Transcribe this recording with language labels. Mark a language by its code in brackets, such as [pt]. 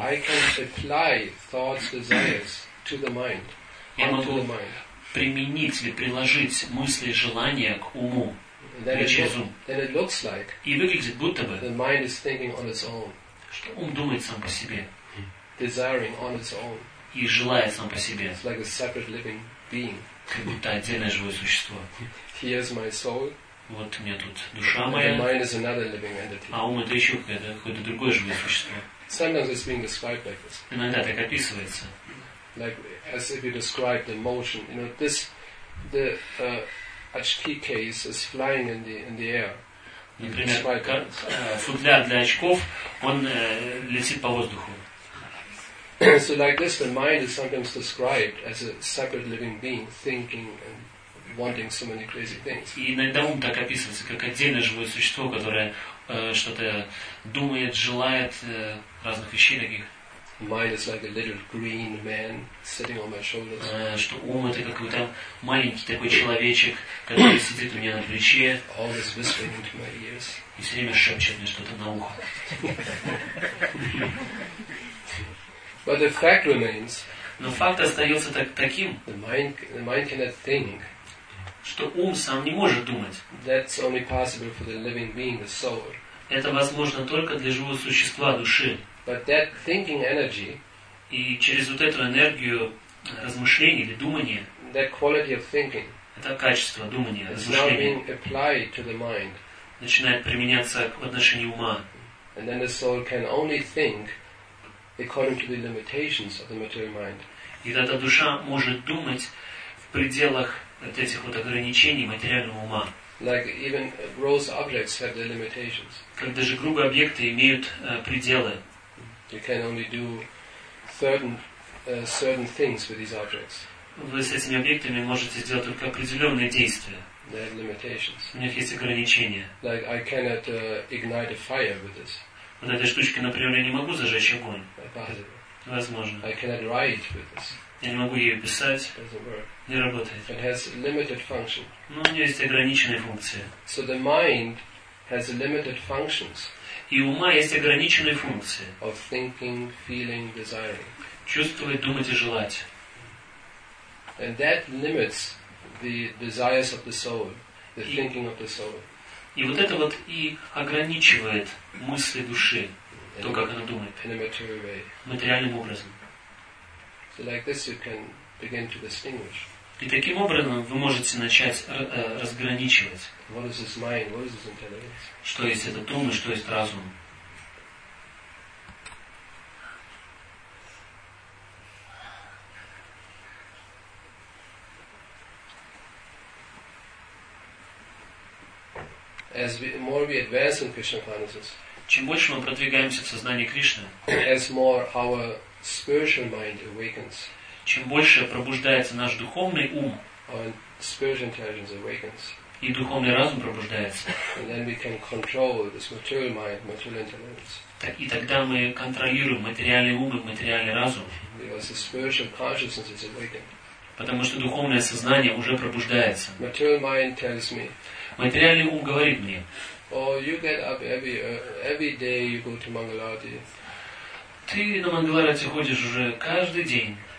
[en] I can apply thoughts, desires to the mind, [ru] я могу применить или приложить мысли и желания к уму. [en] Then it looks like [ru] и выглядит будто бы. [en] The mind is thinking on its own. [ru] Что ум думает сам по себе. [en] Desiring on its own. [ru] И желает сам по себе. [en] It's like a separate living being. [ru] Как будто отдельное живое существо. [en] Here's my soul. [ru] Вот у меня тут душа моя. [en] And mine is another living entity. [ru] А ум это еще какое-то другое живое существо. [en] Sometimes it's being described like this. [ru] Иногда так описывается. [en] Like as if you describe the motion. You know, this the очки case is flying in the air. [ru] Например, футляр для очков, он летит по воздуху. [en] So like this, the mind is sometimes described as a separate living being, thinking and wanting so many crazy things. [ru] И иногда ум так описывается, как отдельное живое существо, которое что-то думает, желает разных вещей таких. [en] mind is like a little green man sitting on my shoulders. [ru] Что ум это какой-то маленький такой человечек, который сидит у меня на плече. [en] Always whispering into my ears. [ru] И все время шепчет мне что-то на ухо. [en] But the fact remains. [ru] Но факт остается таким. [en] The mind cannot think. [ru] Что ум сам не может думать. [en] That's only possible for the living being, the soul. [ru] Это возможно только для живого существа, души. [en] But that thinking energy, [ru] и через вот эту энергию размышлений или думания, [en] that quality of thinking, [ru] это качество думания, размышления, [en] is now being applied to the mind. [ru] Начинает применяться в отношении ума. [en] And then the soul can only think according to the limitations of the material mind. [ru] И тогда душа может думать в пределах от этих вот ограничений материального ума. [en] Like even gross objects have their limitations. [ru] Как даже грубые объекты имеют пределы. [en] You can only do certain things with these objects. [ru] Вы с этими объектами можете сделать только определенные действия. [en] They have limitations. [ru] У них есть ограничения. [en] Like I cannot ignite a fire with this. [ru] Вот этой штучкой, например, я не могу зажечь огонь. [en] Possible. [ru] Возможно. [en] I cannot write with this. [ru] Я не могу ее писать. [en] Doesn't work. [ru] Не работает. [en] It has limited function. [ru] Но у нее есть ограниченные функции. [en] So the mind has limited functions. [ru] И у ума есть ограниченные функции. [en] Of thinking, feeling, desiring. [ru] Чувствовать, думать и желать. [en] And that limits the desires of the soul, the thinking of the soul. [ru] И вот это вот и ограничивает мысли души, то, как она думает. [en] In a material way. [ru] Материальным образом. [en] So like this you can begin to distinguish. [ru] И таким образом вы можете начать разграничивать. [en] What is this mind? What is this intelligence? [ru] Что есть этот ум и что есть разум? [en] As more we advance in Krishna consciousness, [ru] чем больше мы продвигаемся в сознании Кришны, [en] as more our spiritual mind awakens. [ru] Чем больше пробуждается наш духовный ум, [en] spiritual intelligence awakens. [ru] И духовный разум пробуждается, [en] and then we can control this material mind, material intelligence. [ru] Так, и тогда мы контролируем материальный ум и материальный разум. [en] Because the spiritual consciousness is awakened. [ru] Потому что духовное сознание уже пробуждается. [en] Material mind tells me. [ru] Материальный ум говорит мне. [en] Oh, you get up every day, you go to Mangalarti. [ru] Ты на Мангаларате ходишь уже каждый день.